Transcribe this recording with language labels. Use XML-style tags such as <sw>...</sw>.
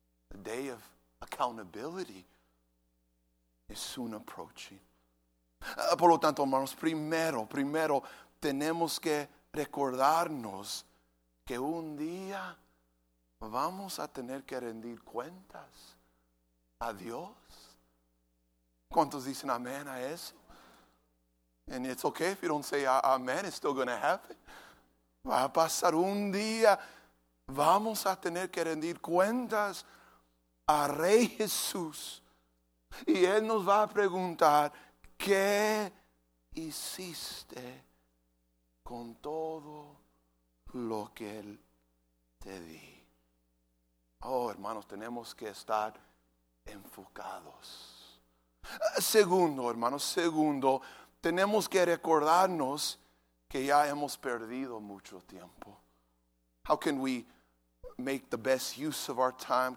<en>The day of accountability is soon approaching.</en> <es>Por lo tanto, hermanos, primero, tenemos que recordarnos que un día vamos a tener que rendir cuentas a Dios. ¿Cuántos dicen amén a eso?</es> <en>And it's okay if you don't say amen, it's still going to happen.</en> <es>Va a pasar un día, vamos a tener que rendir cuentas a Rey Jesús. Y Él nos va a preguntar, ¿qué hiciste con todo lo que Él te di? Oh, hermanos, tenemos que estar enfocados. Segundo, tenemos que recordarnos que ya hemos perdido mucho tiempo.</es> <en>How can we make the best use of our time?</en>